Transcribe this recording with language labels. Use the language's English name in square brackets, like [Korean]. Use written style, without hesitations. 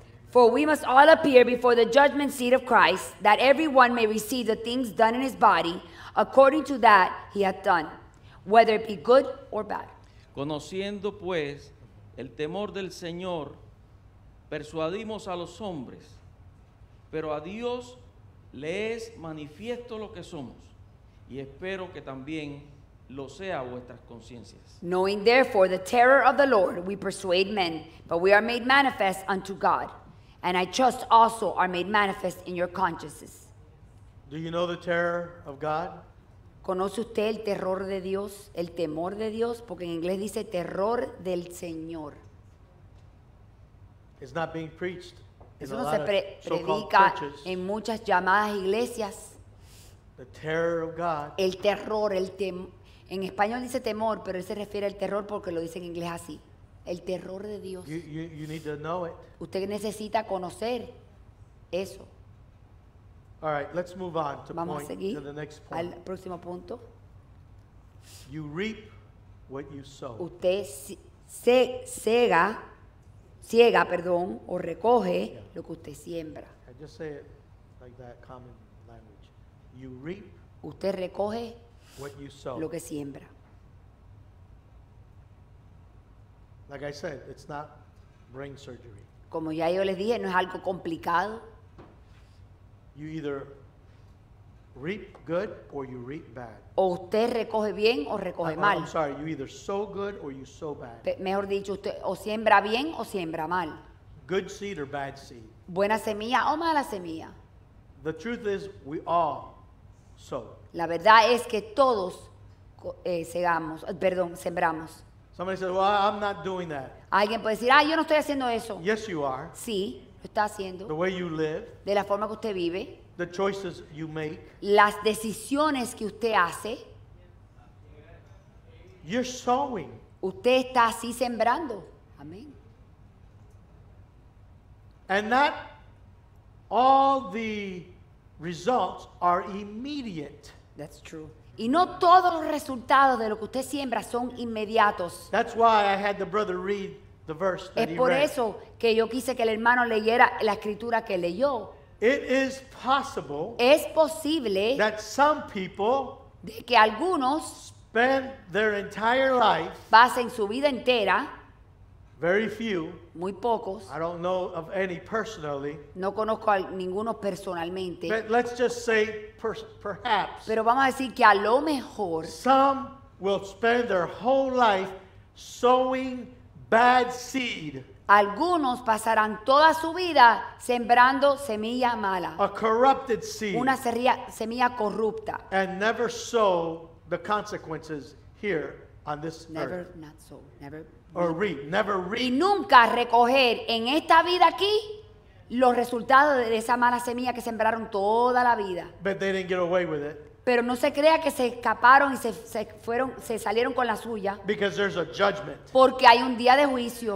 [English] For we must all appear before the judgment seat of Christ, that everyone may receive the things done in his body, according to that he hath done, whether it be good or bad. [Spanish] Conociendo pues el temor del Señor, persuadimos a los hombres, pero a Dios le es manifiesto lo que somos, y espero que también lo sea vuestras conciencias. [English] Knowing therefore the terror of the Lord, we persuade men, but we are made manifest unto God. And I trust also are made manifest in your consciences. Do you know the terror of God? [Spanish] ¿Conoce usted el terror de Dios, el temor de Dios? Porque en inglés dice terror del Señor. [English] It's not being preached. [Spanish] Eso no se predica en muchas llamadas iglesias. [English] The terror of God. [Spanish] El terror, el temor. En español dice temor, pero él se refiere al terror porque lo dice en inglés así. El terror de Dios. [English] You need to know it. [Spanish] Usted necesita conocer eso. [English] All right, let's move on to [Spanish] Vamos [English] point, [Spanish] a seguir [English] to the next point. [Spanish] Al próximo punto. [English] You reap what you sow. [Spanish] Usted ciega, o recoge lo que usted siembra. [English] I just say it like that, common language. You reap. [Spanish] Usted recoge [English] what you sow. [Spanish] Lo que siembra. [English] Like I said, it's not brain surgery. [Spanish] Como ya yo les dije, no es algo complicado. [English] You either reap good or you reap bad. [Spanish] O usted recoge bien o recoge mal. [English] I'm sorry, you either sow good or you sow bad. [Spanish] Mejor dicho, usted o siembra bien o siembra mal. [English] Good seed or bad seed. [Spanish] Buena semilla o mala semilla. [English] The truth is, we all sow. [Spanish] La verdad es que todos sembramos. [English] Somebody says, well, I'm not doing that. [Spanish] Alguien puede decir, yo no estoy haciendo eso. [English] Yes, you are. [Spanish] Sí, lo está haciendo. [English] The way you live. [Spanish] De la forma que usted vive. [English] The choices you make. [Spanish] Las decisiones que usted hace. [English] You're sowing. [Spanish] Usted está así sembrando. Amén. [English] And that all the results are immediate. That's true. [Spanish] Y no todos los resultados de lo que usted siembra son inmediatos. [English] That's why I had the brother read the verse that [Spanish] es por [English] he read. [Spanish] Eso que yo quise que el hermano leyera la escritura que leyó. [English] It is possible [Spanish] es posible [English] that some people [Spanish] de que algunos [English] spend their entire life [Spanish] pasen su vida entera [English] very few, [Spanish] muy pocos [English] I don't know of any personally, [Spanish] no conozco a ninguno personalmente [English] but let's just say perhaps [Spanish] pero vamos a decir que a lo mejor [English] some will spend their whole life sowing bad seed [Spanish] algunos pasarán toda su vida sembrando semilla mala [English] a corrupted seed [Spanish] una semilla corrupta [English] and never sow the consequences here on this never, earth never not sow never Or reap, never reap. [Spanish] Y nunca recoger en esta vida aquí los resultados de esa mala semilla que sembraron toda la vida. [English] But they didn't get away with it. [Spanish] Pero no se crea que se escaparon y se salieron con la suya. [English] Because there's a judgment. [Spanish] Porque hay un día de juicio.